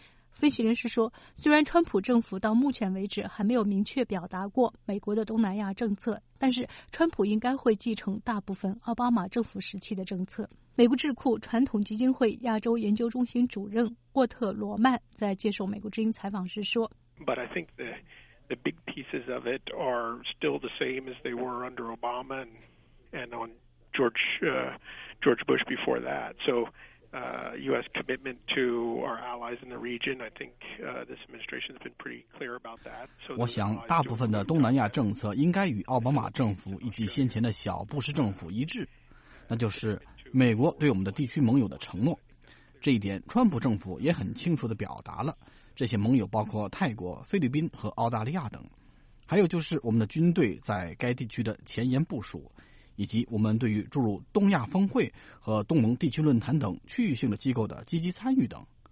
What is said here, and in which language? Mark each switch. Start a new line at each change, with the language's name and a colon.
Chinese: 分析人士说，虽然川普政府到目前为止还没有明确表达过美国的东南亚政策，但是川普应该会继承大部分奥巴马政府时期的政策。美国智库传统基金会亚洲研究中心主任沃特·罗曼在接受美国之音采访时说，
English: But I think the big pieces of it are still the same as they were under Obama and on George Bush before that. So, U.S. commitment to our allies in the region, I think this administration has been pretty clear about that.
Chinese: So, 我想大部分的东南亚政策应该与奥巴马政府以及先前的小布什政府一致，那就是美国对我们的地区盟友的承诺。这一点，川普政府也很清楚地表达了。这些盟友包括泰国、菲律宾和澳大利亚等，还有就是我们的军队在该地区的前沿部署，以及我们对于诸如东亚峰会和东盟地区论坛等区域性的机构的积极参与等。